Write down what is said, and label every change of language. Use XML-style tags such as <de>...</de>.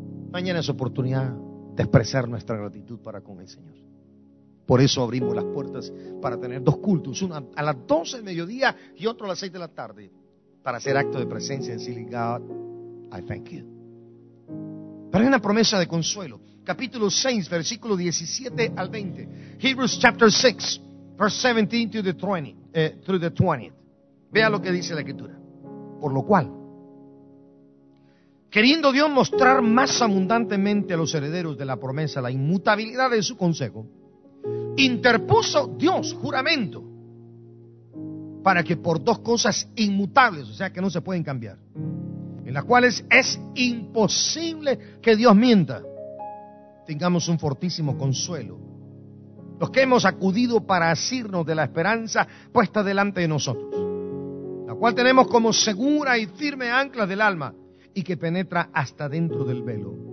<es>Mañana es oportunidad de expresar nuestra gratitud para con el Señor. Por eso abrimos las puertas para tener dos cultos, uno a las 12 del mediodía y otro a las 6 de la tarde, para hacer acto de presencia y decirle:</es> <en>God, I thank you.</en> <es>Pero hay una promesa de consuelo. Capítulo 6, versículo 17 al 20.</es> <en>Hebrews chapter 6, verse 17 through the 20th.</en> <es>Vea lo que dice la Escritura. Por lo cual, queriendo Dios mostrar más abundantemente a los herederos de la promesa la inmutabilidad de su consejo, interpuso Dios juramento para que por dos cosas inmutables, o sea que no se pueden cambiar, en las cuales es imposible que Dios mienta, tengamos un fortísimo consuelo, los que hemos acudido para asirnos de la esperanza puesta delante de nosotros, la cual tenemos como segura y firme ancla del alma y que penetra hasta dentro del velo.</es>